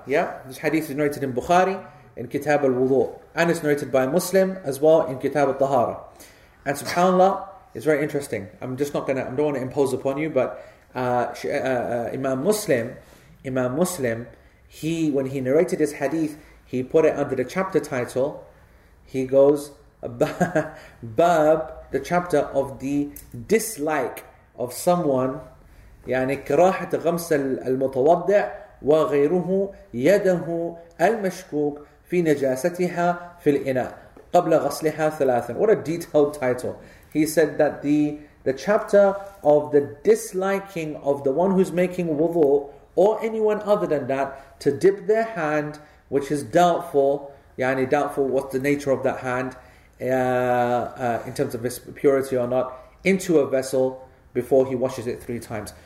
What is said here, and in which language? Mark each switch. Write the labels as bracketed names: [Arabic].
[English] Yeah, this hadith is narrated in Bukhari in Kitab al-Wudu, and it's narrated by Muslim as well in Kitab al-Tahara. And subhanAllah, it's very interesting. I don't want to impose upon you, but Imam Muslim, when he narrated this hadith, he put it under the chapter title. He goes, Bab, the chapter of the dislike of someone, [Arabic] يعني كراهة غمس المتوضع وغيره يده المشكوك في نجاستها في الإناء قبل غسلها ثلاثا. [English] What a detailed title. He said that the chapter of the disliking of the one who's making wudu, or anyone other than that, to dip their hand, which is doubtful, [Arabic] يعني [English] doubtful what's the nature of that hand, in terms of its purity or not, into a vessel before he washes it three times.